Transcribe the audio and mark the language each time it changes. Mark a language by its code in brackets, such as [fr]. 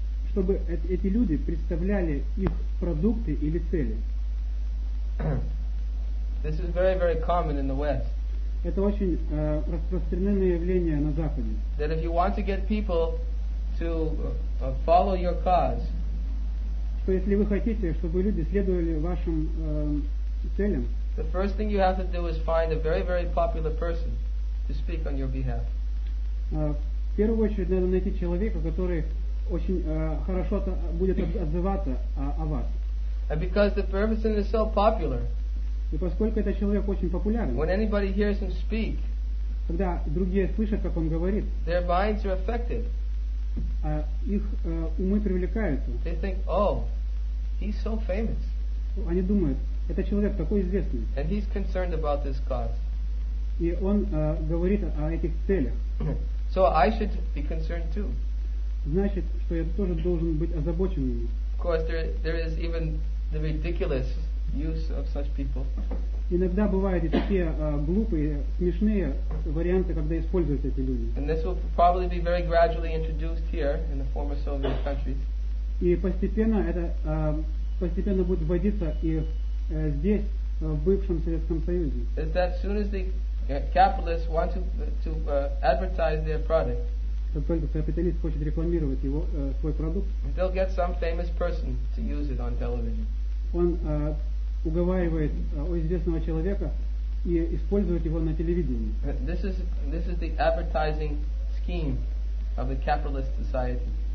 [ru] Чтобы эти люди представляли их продукты или цели. [en] This is very, very common in the West. [ru] Это очень распространенное явление на Западе. [en] That if you want to get people to follow your cause. [ru] То если вы хотите, чтобы люди следовали вашим целям. [en] The first thing you have to do is find a very, very popular person to speak on your behalf. [ru] В первую очередь надо найти человека, который очень хорошо будет отзываться о вас. [en] And because the person is so popular. [ru] И поскольку этот человек очень популярен. [en] When anybody hears him speak. [ru] Когда другие слышат, как он говорит. [en] Their minds are affected. [ru] Их умы привлекаются. [en] They think, oh, he's so famous. [ru] Они думают, этот человек такой известный. [en] And he's concerned about this cause. [ru] И он говорит о этих целях. [en] So I should be concerned too. [ru] Значит, что я тоже должен быть озабочен ими. [en] Of course, there is even the ridiculous use of such people. [ru] Иногда бывают и такие глупые, смешные варианты, когда используют эти люди. [en] And this will probably be very gradually introduced here in the former Soviet countries. [ru] И постепенно это постепенно будет вводиться и здесь, в бывшем Советском Союзе. [en] Is that as soon as the capitalists want to advertise their product? [ru] Как только капиталист хочет рекламировать его свой продукт. [en] They'll get some famous person to use it on television. [ru] Он уговаривает известного человека и использовать его на телевидении. [en] This is the advertising scheme of the capitalist society.